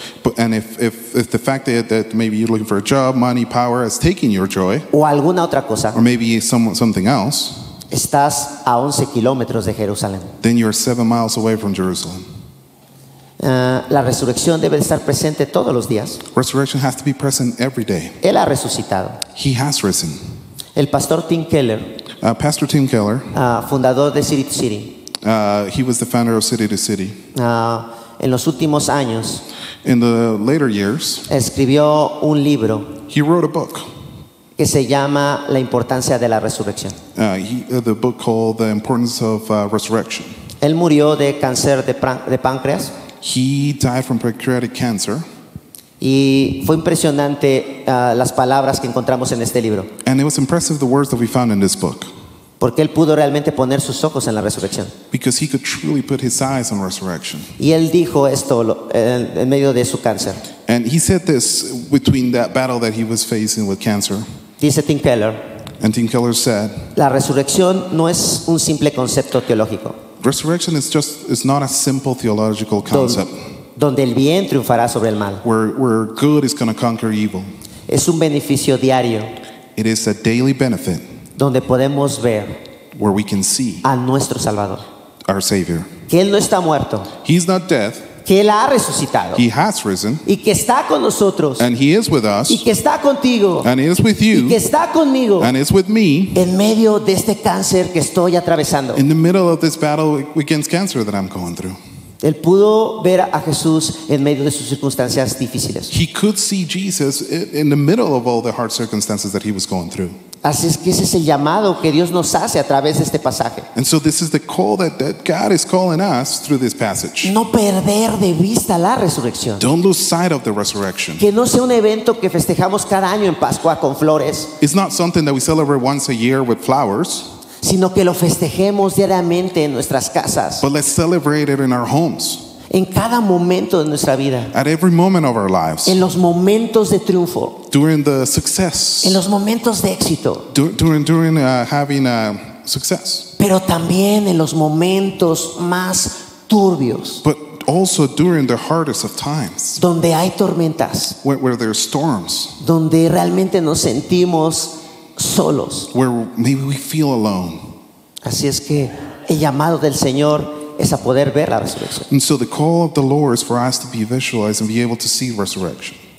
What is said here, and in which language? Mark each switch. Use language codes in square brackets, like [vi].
[en] But, and if the fact that maybe you're looking for a job, money, power is taking your joy. [es] O alguna otra cosa. [en] Or maybe something else. [es] Estás a 11 kilómetros de Jerusalén. [en] Then you're 7 miles away from Jerusalem. [es] La resurrección debe estar presente todos los días. [en] Resurrection has to be present every day. [es] Él ha resucitado. [en] He has risen. [es] El pastor Tim Keller. [en] Pastor Tim Keller. [es] Fundador de City to City. [en] He was the founder of City to City. [es] En los últimos años. [en] In the later years. [es] Escribió un libro. [en] He wrote a book. [es] Que se llama La importancia de la resurrección. [en] The book called The Importance of Resurrection. [es] Él murió de cáncer de páncreas. [en] He died from pancreatic cancer. [es] Y fue impresionante las palabras que encontramos en este libro. [en] And it was impressive the words that we found in this book. [es] Porque él pudo realmente poner sus ojos en la resurrección. [en] Because he could truly put his eyes on resurrection. [es] Y él dijo esto en medio de su cáncer. [en] And he said this between that battle that he was facing with cancer. [es] Dice Tim Keller. [en] And Tim Keller said, [es] la resurrección no es un simple concepto teológico. [en] Resurrection is not a simple theological concept. [es] Donde el bien triunfará sobre el mal. [en] Where good is going to conquer evil. [es] Es un beneficio diario. [en] It is a daily benefit. [es] Donde podemos ver, [en] where we can see, [es] a nuestro Salvador, [en] our Savior, [es] que él no está muerto, [en] he's not dead, [es] que él ha resucitado, [en] he has risen, [es] y que está con nosotros, [en] and he is with us, [es] y que está contigo, [en] and he is with you, [es] y que está conmigo, [en] and is with me, [es] en medio de este cáncer que estoy atravesando. [en] In the middle of this battle against cancer that I'm going through. [es] Él pudo ver a Jesús en medio de sus circunstancias difíciles. [en] He could see Jesus in the middle of all the hard circumstances that he was going through. [es] Así es que ese es el llamado que Dios nos hace a través de este pasaje. [en] And so this is the call that God is calling us through this passage. [es] No perder de vista la resurrección. [en] Don't lose sight of the resurrection. [es] Que no sea un evento que festejamos cada año en Pascua con flores. [en] It's not something that we celebrate once a year with flowers. [es] Sino que lo festejemos diariamente en nuestras casas. [en] But let's celebrate it in our homes. [es] En cada momento de nuestra vida. [en] At every moment of our lives. [es] En los momentos de triunfo. [en] During the success. [es] En los momentos de éxito. [en] During having success. [es] Pero también en los momentos más turbios. [en] But also during the hardest of times. [es] Donde hay tormentas. [en] Where there are storms. [es] Donde realmente nos sentimos solos. [en] Where maybe we feel alone. [es] Así es que el llamado del Señor es a poder ver la resurrección. [en] And so the call of the Lord is for us to be visualized and be able to see resurrection.